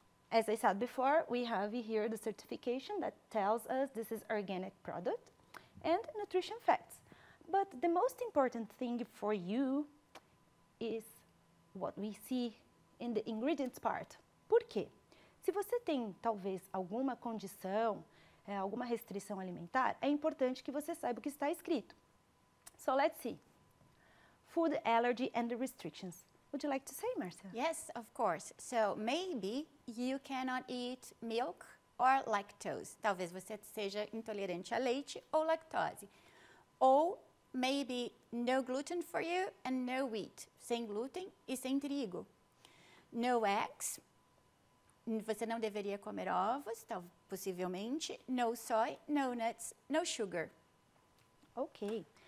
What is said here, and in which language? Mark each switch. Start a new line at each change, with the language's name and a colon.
English: As I said before, we have here the certification that tells us this is organic product and nutrition facts. But the most important thing for you is what we see in the ingredients part.
Portuguese: Por quê? Se você tem, talvez, alguma condição, alguma restrição alimentar, é importante que você saiba o que está escrito.
English: So, let's see. Food allergy and the restrictions. Would you like to say, Marcia? Yes, of course. So, maybe you cannot eat milk or lactose.
Portuguese: Talvez você seja intolerante a leite ou lactose.
English: Ou, maybe no gluten for you and no wheat.
Portuguese: Sem glúten e sem trigo.
English: No eggs.
Portuguese: Você não deveria comer ovos, possivelmente.
English: No soy, no nuts, no sugar. Ok.